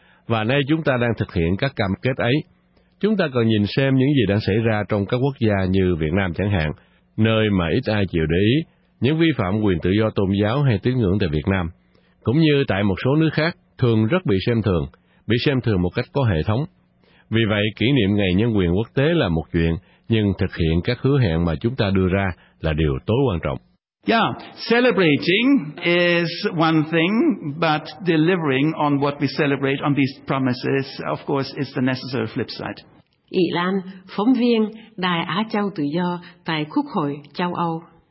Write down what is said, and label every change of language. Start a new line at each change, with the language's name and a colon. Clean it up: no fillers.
Vietnamese: Và nay chúng ta đang thực hiện các cam kết ấy. Chúng ta cần nhìn xem những gì đang xảy ra trong các quốc gia như Việt Nam chẳng hạn, nơi mà ít ai chịu để ý, những vi phạm quyền tự do tôn giáo hay tín ngưỡng tại Việt Nam. Cũng như tại một số nước khác, thường rất bị xem thường một cách có hệ thống. Vì vậy, kỷ niệm Ngày Nhân quyền Quốc tế là một chuyện, nhưng thực hiện các hứa hẹn mà chúng ta đưa ra là điều tối quan trọng.
English: Yeah, celebrating is one thing, but delivering on what we celebrate on these promises, of course, is the necessary flip side.
Vietnamese: Ý Lan, phóng viên Đài Á Châu Tự Do tại Quốc hội Châu Âu.